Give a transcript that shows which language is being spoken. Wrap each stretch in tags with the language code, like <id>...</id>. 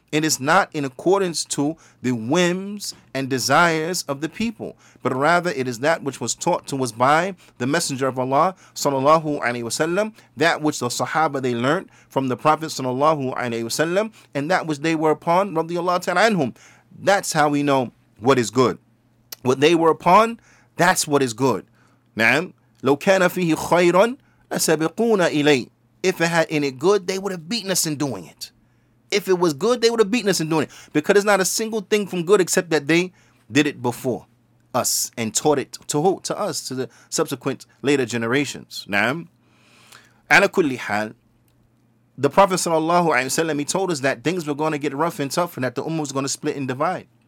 <en>It is not in accordance to the whims and desires of the people, but rather it is that which was taught to us by the Messenger of Allah, sallallahu alaihi wasallam, that which the Sahaba they learnt from the Prophet, sallallahu alaihi wasallam, and that which they were upon, radiyallahu ta'ala anhum. That's how we know what is good. What they were upon, that's what is good.</en> <ar>Na'am. لو كان فيه خيرا لسبقونا إليه.</ar> <en>If it had any good, they would have beaten us in doing it. If it was good, they would have beaten us in doing it. Because there's not a single thing from good except that they did it before us and taught it to who? To us, to the subsequent later generations. Na'am.</en> <ar>على كل حال,</ar> <en>the Prophet sallallahu alaihi wasallam, he told us that things were going to get rough and tough and that the ummah was going to split and divide.</en>